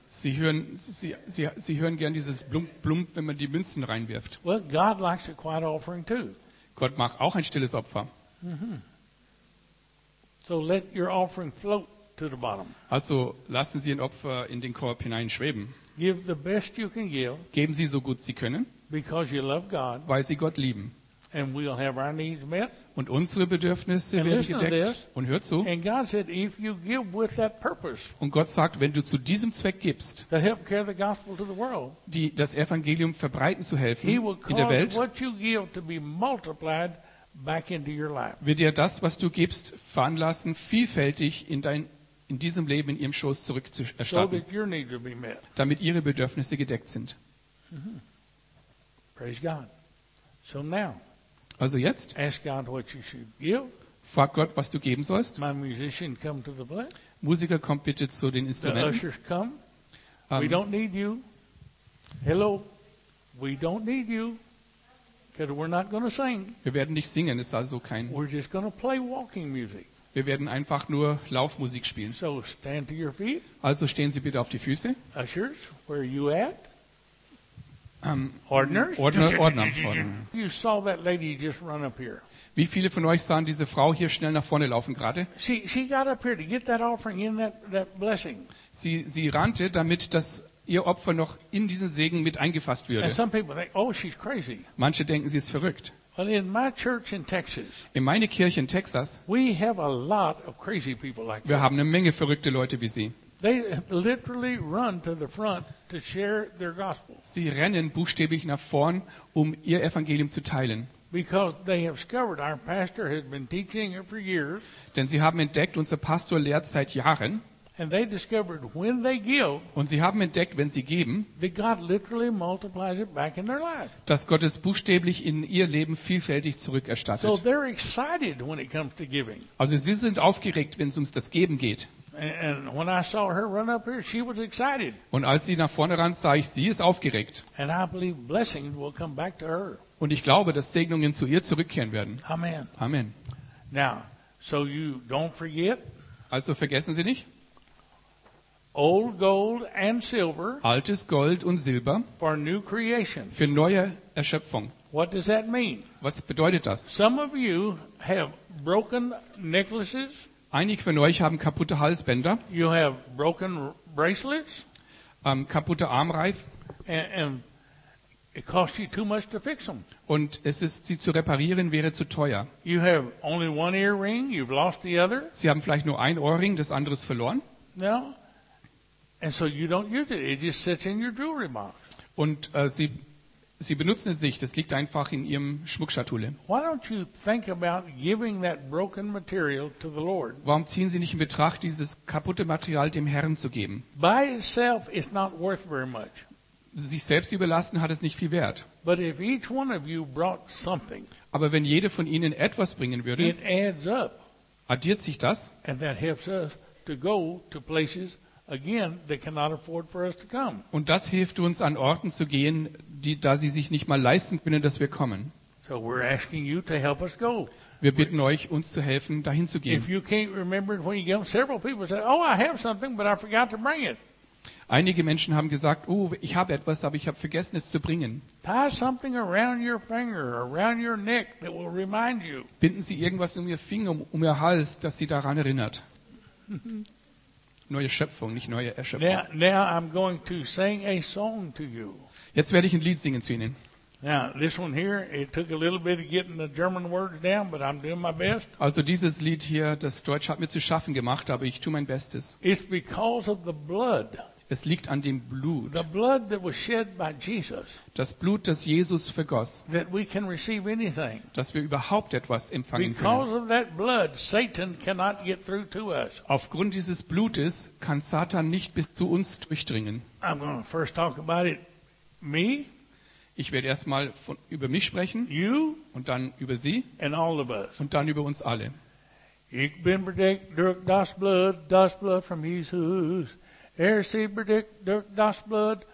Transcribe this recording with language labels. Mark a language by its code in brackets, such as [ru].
[de] Sie hören gern dieses blump, blump, wenn man die Münzen reinwirft. [en] Well, God likes a quiet offering too. [de] Gott macht auch ein stilles Opfer. [en] So let your offering float to the bottom. [de] Also lassen Sie Ihr Opfer in den Korb hineinschweben. [en] Give the best you can give. [de] Geben Sie so gut Sie können. [en] Because you love God. [de] Weil Sie Gott lieben. [en] And we'll have our needs met. [de] Und unsere Bedürfnisse [en] and [de] werden gedeckt. [en] This, [de] und hör zu. [en] And God said, if you give with that purpose, [de] und Gott sagt, wenn du zu diesem Zweck gibst, [en] to help carry the gospel to the world, [de] die, das Evangelium verbreiten zu helfen [en] he will [de] in der Welt, [en] what you give to be multiplied back into your life. [de] Wird dir das, was du gibst, veranlassen, vielfältig in dein in diesem Leben in ihrem Schoß zurückzuerstatten, [en] so [de] damit ihre Bedürfnisse gedeckt sind. [en] Praise God. So now, [de] also jetzt, [en] ask God what you should give. [de] Frag Gott, was du geben sollst. [en] My musician, come to the plate. [de] Musiker, kommt bitte zu den Instrumenten. [en] The ushers, come. We don't need you. Hello, we don't need you. Because we're not going to sing. [de] Wir werden nicht singen, es ist also kein. [en] We're just going to play walking music. [de] Wir werden einfach nur Laufmusik spielen. [en] So stand to your feet. [de] Also stehen Sie bitte auf die Füße. [en] Ushers, where are you at? [de] Ordner. [en] You saw that lady just run up here. [de] Wie viele von euch sahen diese Frau hier schnell nach vorne laufen gerade? [en] She got up here to get that offering in that blessing. [de] Sie rannte, damit das ihr Opfer noch in diesen Segen mit eingefasst würde. [en] And some people think, oh, she's crazy. [de] Manche denken, sie ist verrückt. [en] Well, in my church in Texas, [de] in meine Kirche in Texas, [en] we have a lot of crazy people like that. [de] Wir haben eine Menge verrückte Leute wie sie. [en] They literally run to the front to share their gospel. [de] Sie rennen buchstäblich nach vorn, um ihr Evangelium zu teilen. [en] Because they have discovered our pastor has been teaching it for years. [de] Denn sie haben entdeckt, unser Pastor lehrt seit Jahren. [en] And they discovered when they give, [de] und sie haben entdeckt, wenn sie geben, [en] that God literally multiplies it back in their life. [de] Dass Gott es buchstäblich in ihr Leben vielfältig zurückerstattet. [en] So they're excited when it comes to giving. [de] Also sie sind aufgeregt, wenn es ums das Geben geht. [en] And when I saw her run up here, she was excited. [de] Und als sie nach vorne rannte, sah ich, sie ist aufgeregt. [en] And I believe blessings will come back to her. [de] Und ich glaube, dass Segnungen zu ihr zurückkehren werden. [en] Amen. [de] Amen. [en] Now, so you don't forget. [de] Also vergessen Sie nicht. [en] Old gold and silver. [de] Altes Gold und Silber. [en] For new creations. [de] Für neue Erschöpfung. [en] What does that mean? [de] Was bedeutet das? [en] Some of you have broken necklaces. [de] Einige von euch haben kaputte Halsbänder. [en] You have broken bracelets. [de] Kaputte Armreif. [en] And it costs you too much to fix them. [de] Und es ist, sie zu reparieren, wäre zu teuer. [en] You have only one earring. You've lost the other. [de] Sie haben vielleicht nur ein Ohrring, das andere ist verloren. [en] No. And so you don't use it. It just sits in your jewelry box. [de] Und sie benutzen es nicht. Das liegt einfach in ihrem Schmuckschatulle. [en] Why don't you think about giving that broken material to the Lord? [de] Warum ziehen Sie nicht in Betracht, dieses kaputte Material dem Herrn zu geben? [en] By itself, it's not worth very much. [de] Sich selbst überlassen hat es nicht viel Wert. [en] But if each one of you brought something, [de] aber wenn jede von Ihnen etwas bringen würde, [en] it adds up. [de] Addiert sich das? [en] And that helps us to go to places. Again, they cannot afford for us to come. [de] Und das hilft uns, an Orten zu gehen, die, da sie sich nicht mal leisten können, dass wir kommen. [en] So we're asking you to help us go. [de] Wir bitten euch, uns zu helfen, dahin zu gehen. [en] If you can't remember when you give, several people say, "Oh, I have something, but I forgot to bring it." [de] Einige Menschen haben gesagt, oh, ich habe etwas, aber ich habe vergessen, es zu bringen. [en] Tie something around your finger, around your neck, that will remind you. [de] Binden Sie irgendwas um Ihr Finger, um Ihr Hals, dass Sie daran erinnert. Neue Schöpfung, nicht neue Erschöpfung. [en] Now I'm going to sing a song to you. [de] Jetzt werde ich ein Lied singen zu Ihnen. [en] Now, this one here, it took a little bit of getting the German words down, but I'm doing my best. [de] Also dieses Lied hier, das Deutsch hat mir zu schaffen gemacht, aber ich tue mein Bestes. [en] It's because of the blood. [de] Es liegt an dem Blut. [en] The blood that was shed by Jesus. [de] Das Blut, das Jesus vergoss. [en] That we can receive anything. [de] Dass wir überhaupt etwas empfangen können. [en] Because of that blood, Satan cannot get through to us. [de] Aufgrund dieses Blutes kann Satan nicht bis zu uns durchdringen. [en] I'm going to first talk about it. Me. [de] Ich werde erstmal über mich sprechen. [en] You. [de] Und dann über Sie. [en] And all of us. [de] Und dann über uns alle. Ich bin bedeckt durch das Blut from Jesus. Er sie bedeckt durch das Blut